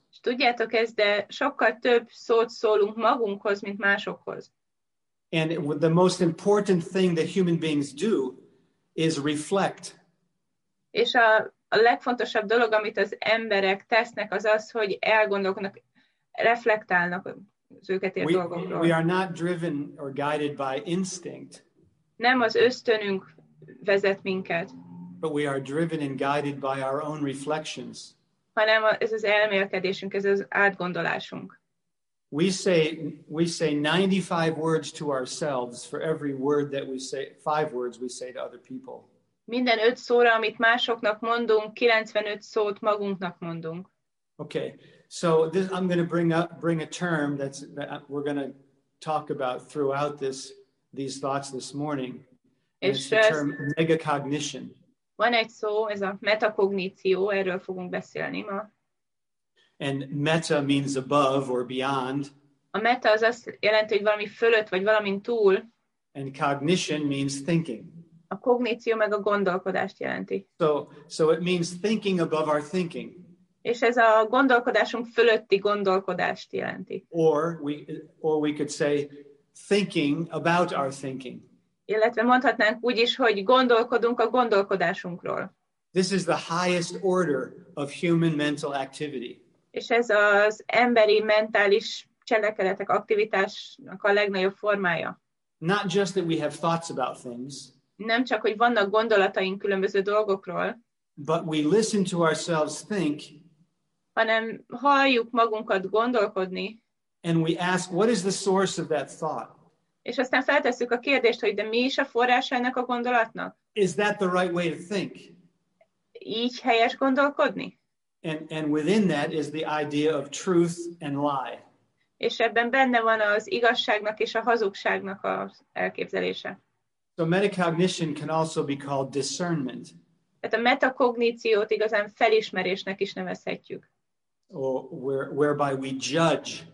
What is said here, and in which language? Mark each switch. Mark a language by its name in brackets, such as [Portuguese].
[Hungarian] És tudjátok ezt, de sokkal több szót szólunk magunkhoz, mint másokhoz. [English] And the most important thing that human beings do is reflect. [Hungarian] És a legfontosabb dolog, amit az emberek tesznek, az, hogy elgondolkodnak. Reflektálnak az őket ért dolgokról. [English] We are not driven or guided by instinct. [Hungarian] Nem az ösztönünk vezet minket. [English] But we are driven and guided by our own reflections. [Hungarian] Hanem ez az elmélkedésünk, ez az átgondolásunk. [English] We say 95 words to ourselves for every word that we say, 5 words we say to other people. [Hungarian] Minden 5 szóra, amit másoknak mondunk, 95 szót magunknak mondunk. [English] Okay. So this, I'm going to bring a term that we're going to talk about throughout these thoughts this morning. It's the term megacognition. [Hungarian] Van egy szó, ez a metakogníció, erről fogunk beszélni ma. [English] And meta means above or beyond. [Hungarian] A meta az azt jelenti, hogy valami fölött vagy valamin túl. [English] And cognition means thinking. [Hungarian] A kogníció meg a gondolkodást jelenti. [English] So it means thinking above our thinking. [Hungarian] És ez a gondolkodásunk fölötti gondolkodást jelenti. [English] Or we could say thinking about our thinking. [Hungarian] Illetve mondhatnánk úgy is, hogy gondolkodunk a gondolkodásunkról. [English] This is the highest order of human mental activity. [Hungarian] És ez az emberi mentális cselekedetek aktivitásnak a legnagyobb formája. [English] Not just that we have thoughts about things. [Hungarian] Nem csak, hogy vannak gondolataink különböző dolgokról. [English] But we listen to ourselves think. [Hungarian] Hanem halljuk magunkat gondolkodni. [English] And we ask, what is the source of that thought? [Hungarian] És aztán feltesszük a kérdést, hogy de mi is a forrása ennek a gondolatnak? [English] Is that the right way to think? [Hungarian] így helyes gondolkodni. [English] And within that is the idea of truth and lie. [Hungarian] És ebben benne van az igazságnak és a hazugságnak az elképzelése. [English] So metacognition can also be called discernment. [Hungarian] Tehát a metakogníciót igazán felismerésnek is nevezhetjük. [English] Whereby we judge.